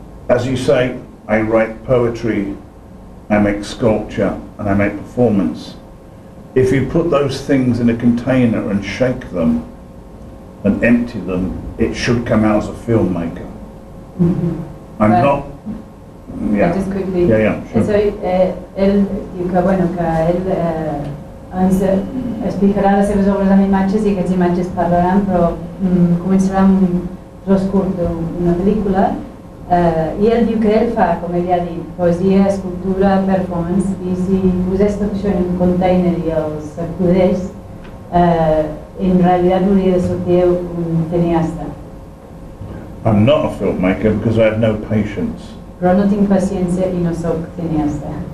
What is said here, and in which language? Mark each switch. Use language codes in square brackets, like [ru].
[en] As you say, I write poetry, I make sculpture, and I make performance. If you put those things in a container and shake them and empty them, it should come out as a filmmaker. Mm-hmm. I'm not... Yeah. Just quickly. Yeah, yeah, sure. [ca] Eso, él, diu que, bueno, que él ens explicarà les seves obres amb imatges i aquestes imatges parlaran, però començarà amb un tros curt d'una pel·lícula. I ell diu que ell fa, com ell ja ha dit, poesia, escultura, performance, i si posés tot això en un container i els acudés, en realitat hauria de sortir un cineasta. [en] I'm not a filmmaker because I have no patience. [ca] Però no tinc paciència i no sóc cineasta.